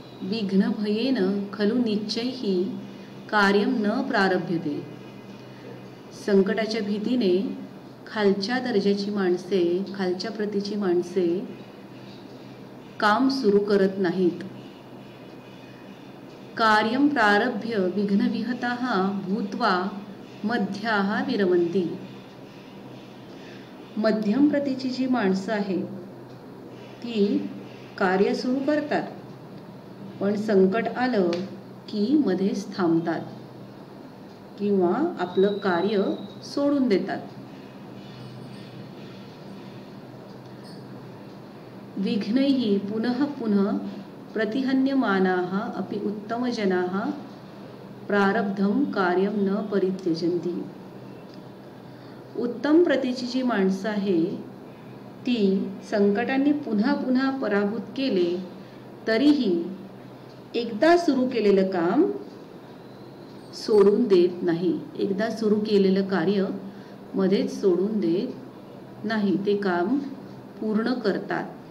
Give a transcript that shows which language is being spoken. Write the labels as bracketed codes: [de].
[sa] विघ्न भयेन खलु नीचैः कार्यम न प्रारभ्यते। [mr] संकटाच्या भीतीने खालच्या दर्जाची माणसे, खालच्या प्रतीची माणसे काम सुरू करत नाहीत। [sa] कार्यम प्रारभ्य विघ्न विहताः भूत्वा मध्याः विरमन्ति। [mr] मध्यम प्रतीची जी माणसे आहेत ती कार्य सुरू करतात, पण संकट आलं की मध्येच थांबतात किंवा आपलं कार्य सोडून देतात। [sa] विघ्नैहि पुनः पुनः प्रतिहन्यमानाः अपि उत्तमजनाः प्रारब्धं कार्यं न परित्यजन्ति। [mr] उत्तम प्रतीची जी माणसं आहे ती संकटांनी पुन्हा पुन्हा पराभूत केले तरीही एकदा सुरू केलेलं काम सोडून देत नाही, एकदा सुरू केलेलं कार्य मध्येच सोडून देत नाही, ते काम पूर्ण करतात।